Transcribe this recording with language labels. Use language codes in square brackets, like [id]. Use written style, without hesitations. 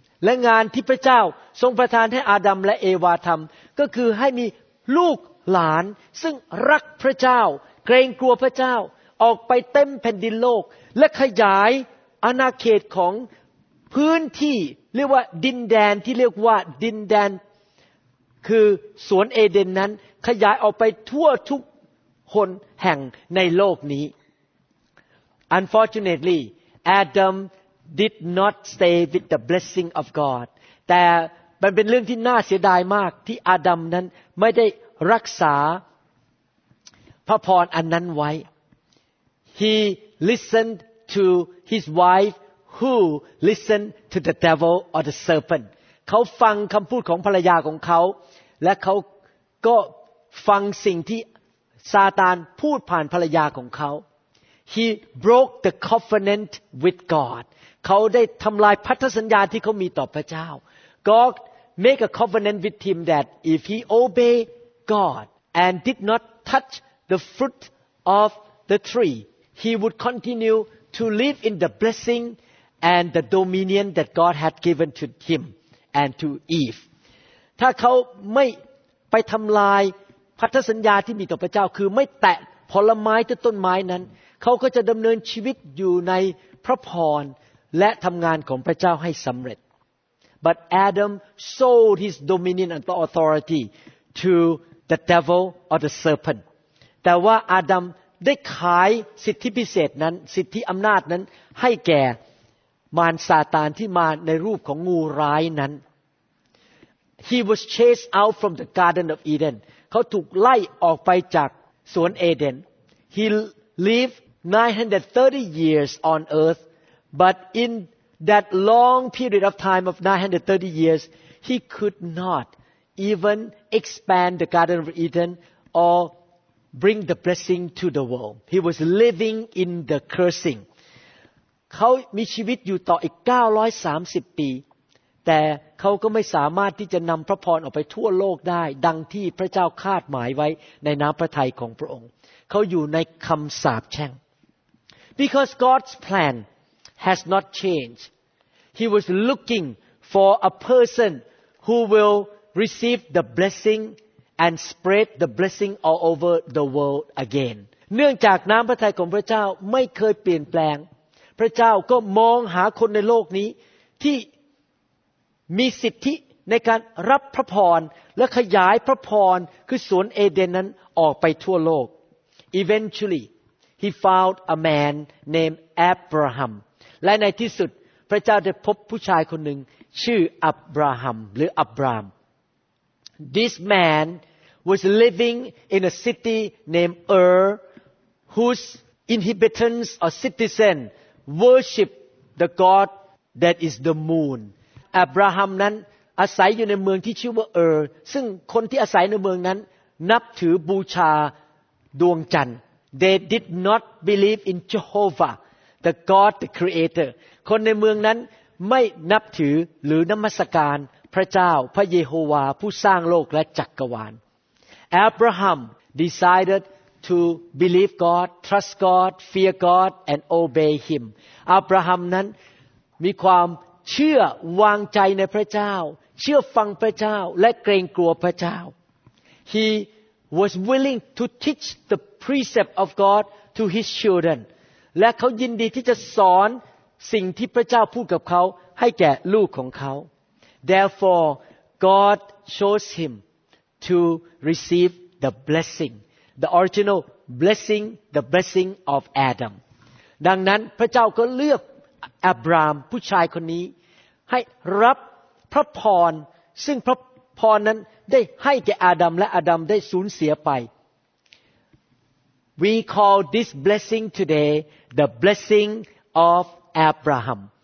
[th] และงานที่พระเจ้าทรงประทานให้อาดัมและเอวาทำก็คือให้มีลูกหลานซึ่งรักพระเจ้าเกรงกลัวพระเจ้าออกไปเต็มแผ่นดินโลกและขยายอาณาเขตของพื้นที่เรียกว่าดินแดนที่เรียกว่าดินแดนคือสวนเอเดนนั้นขยายออกไปทั่วทุกคนแห่งในโลกนี้ [en] Unfortunately Adamdid not stay with the blessing of God [th] แต่มันเป็นเรื่องที่น่าเสียดายมากที่อาดัมนั้นไม่ได้รักษาพระพรอันนั้นไว้ [en] he listened to his wife who listened to the devil or the serpent [th] เขาฟังคำพูดของภรรยาของเขาและเขาก็ฟังสิ่งที่ซาตานพูดผ่านภรรยาของเขา [en] he broke the covenant with God [th] เขาได้ทำลายพันธสัญญาที่เขามีต่อพระเจ้า [en] God make a covenant with him that if he obey God and did not touch the fruit of the tree he would continue to live in the blessing and the dominion that God had given to him and to Eve [th] ถ้าเขาไม่ไปทำลายพันธสัญญาที่มีต่อพระเจ้าคือไม่แตะผลไม้ที่ต้นไม้นั้นเขาก็จะดำเนินชีวิตอยู่ในพระพรและทำงานของพระเจ้าให้สำเร็จ [en] But Adam sold his dominion and authority to the devil or the serpent [th] แต่ว่าอาดัมได้ขายสิทธิพิเศษนั้นสิทธิอำนาจนั้นให้แก่มารซาตานที่มาในรูปของงูร้ายนั้น [en] He was chased out from the Garden of Eden [th] เขาถูกไล่ออกไปจากสวนเอเดน [en] He lived 930 years on earthBut in that long period of time of 930 years, he could not even expand the Garden of Eden or bring the blessing to the world. He was living in the cursing. [th] เขามีชีวิตอยู่ต่ออีก930ปีแต่เขาก็ไม่สามารถที่จะนำพระพรออกไปทั่วโลกได้ดังที่พระเจ้าคาดหมายไว้ในน้ำพระทัยของพระองค์เขาอยู่ในคำสาปแช่ง [en] Because God's planhas not changed. He was looking for a person who will receive the blessing and spread the blessing all over the world again. [th] เนื่องจากน้ำพระทัยของพระเจ้าไม่เคยเปลี่ยนแปลงพระเจ้าก็มองหาคนในโลกนี้ที่มีสิทธิในการรับพระพรและขยายพระพรคือสวนเอเดนนั้นออกไปทั่วโลก [en] Eventually, he found a man named Abraham [th] และในที่สุดพระเจ้าได้พบผู้ชายคนหนึ่งชื่ออับราฮัมหรืออับราฮัม [en] This man was living in a city named Ur whose inhabitants or citizen worship the god that is the moon [th] อับราฮัมนั้นอาศัยอยู่ในเมืองที่ชื่อว่าUrซึ่งคนที่อาศัยในเมืองนั้นนับถือบูชาดวงจันทร์ [en] They did not believe in JehovahThe God, the Creator. [th] คนในเมืองนั้นไม่นับถือหรือนมัสการพระเจ้าพระเยโฮวาผู้สร้างโลกและจักรวาล [en] Abraham decided to believe God, trust God, fear God, and obey Him. [th] Abraham นั้นมีความเชื่อวางใจในพระเจ้าเชื่อฟังพระเจ้าและเกรงกลัวพระเจ้า [en] He was willing to teach the precept of God to his children. [th] และเขายินดีที่จะสอนสิ่งที่พระเจ้าพูดกับเขาให้แก่ลูกของเขา [en] Therefore God chose him to receive the blessing the original blessing the blessing of Adam [th] ดังนั้นพระเจ้าก็เลือกอับรามผู้ชายคนนี้ให้รับพระพรซึ่งพระพรนั้นได้ให้แก่อาดัมและอาดัมได้สูญเสียไป [en] We call this blessing today the blessing of Abraham.